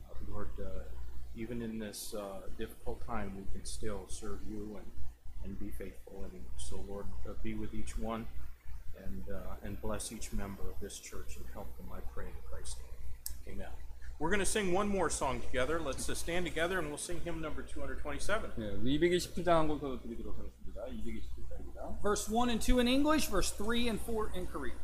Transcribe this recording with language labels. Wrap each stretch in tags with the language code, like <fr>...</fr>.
<en>Lord, even in this difficult time, we can still serve you and be faithful. And so, Lord, be with each one and bless each member of this church and help them, I pray, in Christ's name. Amen. We're going to sing one more song together. Let's stand together, and we'll sing hymn number 227.</en> <ko>네, 227장 한곡더 드리도록 하겠습니다. 227장입니다.</ko> <en>Verse 1 and 2 in English, verse 3 and 4 in Korean.</en>